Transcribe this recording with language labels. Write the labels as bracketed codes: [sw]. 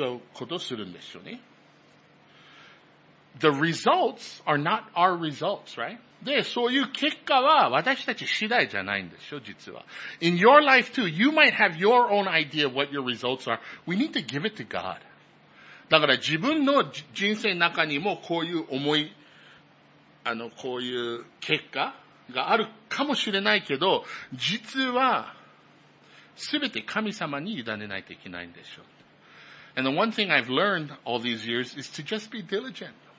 [ja] 私たちがね、聖書を学んで、互いに愛し合うことするんですよね。 [en] The results are not our results, right? [ja] で、 そういう結果は私たち次第じゃないんですよ、実は。 [en] In your life too, you might have your own idea of what your results are. We need to give it to God. [ja] だから自分の人生の中にもこういう思い、あの、こういう結果があるかもしれないけど、実は全て神様に委ねないといけないんでしょう。 [en] And the one thing I've learned all these years is to just be diligent.